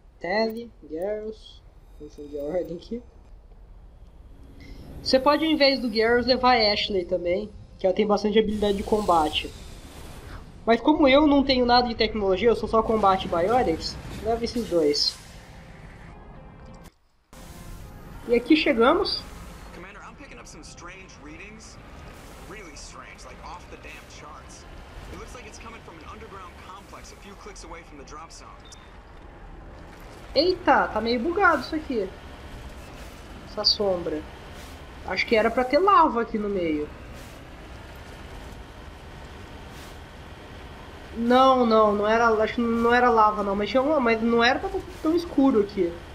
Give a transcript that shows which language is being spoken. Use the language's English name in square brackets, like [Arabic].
[Portuguese] Tele, Garrus. Confundi de ordem aqui. Você pode, ao invés do Garrus, levar a Ashley também. Que ela tem bastante habilidade de combate. Mas como eu não tenho nada de tecnologia, eu sou só combate Biotics, leva esses dois. E aqui chegamos. [English] Commander, I'm picking up some strange readings. Really strange, like off the damn charts. It looks like it's coming from an underground complex a few clicks away from the drop zone. [Portuguese] Eita, tá meio bugado isso aqui. Essa sombra. Acho que era pra ter lava aqui no meio. Não era. Acho que não era lava não, mas não era pra estar tão escuro aqui.